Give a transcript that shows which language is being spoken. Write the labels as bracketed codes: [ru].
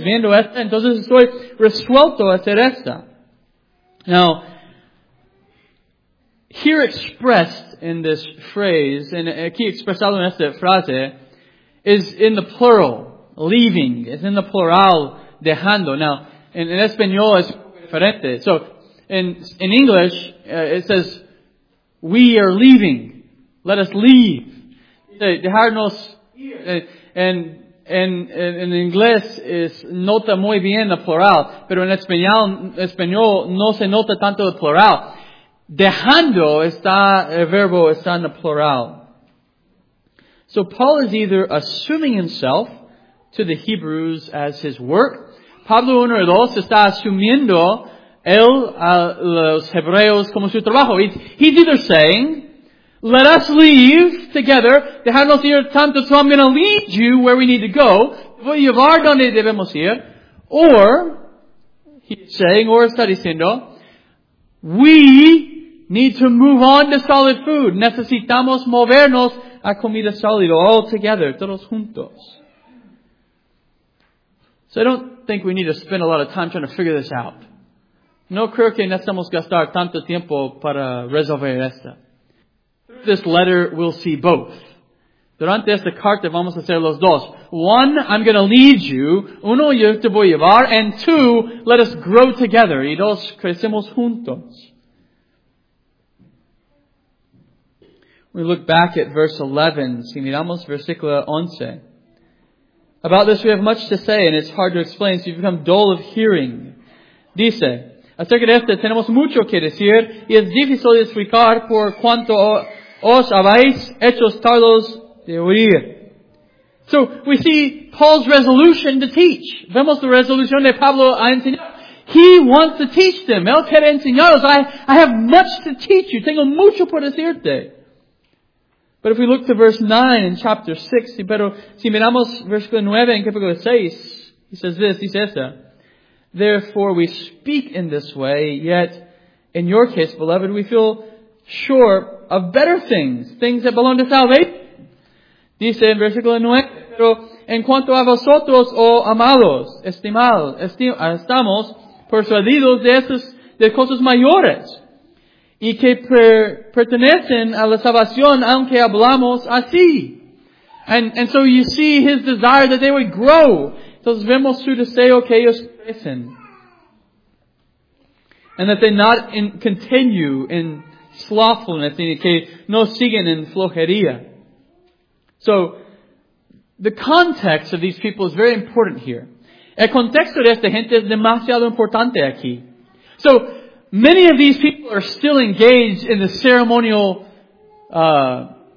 [es] Viendo esta, entonces estoy resuelto a hacer esta. [en] Now, here expressed in this phrase, and [es] aquí expresado en esta frase, [en] is in the plural, leaving. Es in the plural, dejando. [es] Now, en español es diferente. [en] So, in English, it says, we are leaving. Let us leave. [es] Dejarnos ir. En inglés es nota muy bien el plural, pero en español no se nota tanto el plural. Dejando está el verbo está en el plural. [en] So Paul is either assuming himself to the Hebrews as his work. [es] Pablo uno y dos está asumiendo él a los hebreos como su trabajo. [en] He's either saying, let us leave together. [es] Dejarnos ir tanto, [en] so I'm going to lead you where we need to go. [es] Voy a llevar donde debemos ir. [en] Or, he's saying, [es] or está diciendo, [en] we need to move on to solid food. [es] Necesitamos movernos a comida sólida. [en] All together, [es] todos juntos. [en] So I don't think we need to spend a lot of time trying to figure this out. [es] No creo que necesitamos gastar tanto tiempo para resolver esto. [en] This letter, we'll see both. [es] Durante esta carta vamos a hacer los dos. [en] One, I'm going to lead you. [es] Uno, yo te voy a llevar. [en] And two, let us grow together. [es] Y dos, crecemos juntos. [en] We look back at verse 11. [es] Si miramos versículo 11. [en] About this we have much to say, and it's hard to explain, so you become dull of hearing. [es] Dice, acerca de esto tenemos mucho que decir, y es difícil de explicar por cuanto os habéis hecho tardos de oír. [en] So, we see Paul's resolution to teach. [es] Vemos la resolución de Pablo a enseñar. [en] He wants to teach them. [es] Él quiere enseñarlos. [en] I have much to teach you. [es] Tengo mucho por decirte. [en] But if we look to verse 9 in chapter 6, [es] pero si miramos versículo 9 en capítulo 6, [en] he says this, [es] dice esta. [en] Therefore, we speak in this way, yet in your case, beloved, we feel sure of better things, things that belong to salvation. [es] Dice en versículo 9, pero en cuanto a vosotros, oh amados, estamos persuadidos de estas de cosas mayores, y que pertenecen a la salvación, aunque hablamos así. [en] And so you see his desire that they would grow. [es] Entonces vemos su deseo que ellos crecen. [en] And that they not continue in slothfulness, [es] y que no siguen en flojería. [en] So, the context of these people is very important here. [es] El contexto de esta gente es demasiado importante aquí. [en] So, many of these people are still engaged in the ceremonial law.